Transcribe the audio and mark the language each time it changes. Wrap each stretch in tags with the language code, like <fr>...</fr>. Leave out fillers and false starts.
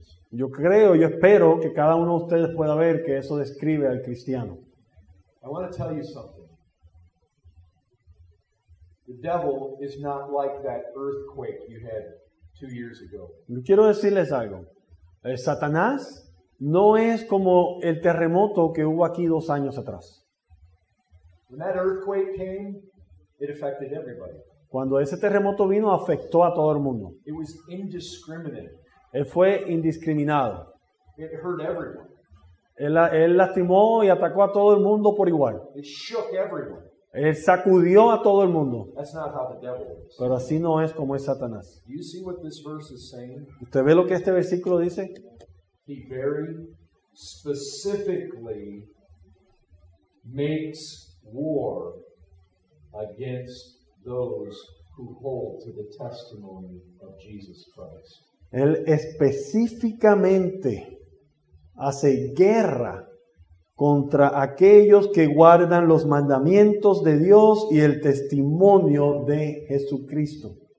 <es>Yo espero que cada uno de ustedes pueda ver que eso describe al cristiano.</es> <en>I want to tell you something. The devil is not like that earthquake you had 2 years ago.</en> <es>Yo quiero decirles algo. Satanás no es como el terremoto que hubo aquí 2 años atrás.</es> <en>When that earthquake came, it affected everybody.</en> <es>Cuando ese terremoto vino, afectó a todo el mundo.</es> <en>It was indiscriminate.</en> <es>Él fue indiscriminado.</es> <en>It hurt everyone.</en> <es>Él lastimó y atacó a todo el mundo por igual.</es> <en>It shook everyone.</en> <es>Él sacudió a todo el mundo.</es> <en>That's not how the devil is.</en> <es>Pero así no es como es Satanás.</es> <en>Do you see what this verse is saying?</en> <es>¿Usted ve lo que este versículo dice?</es> <en>He very specifically makes war against those who hold to the testimony of Jesus Christ.</en> <es>Él específicamente hace guerra contra aquellos que guardan los mandamientos de Dios y el testimonio de Jesucristo.</es>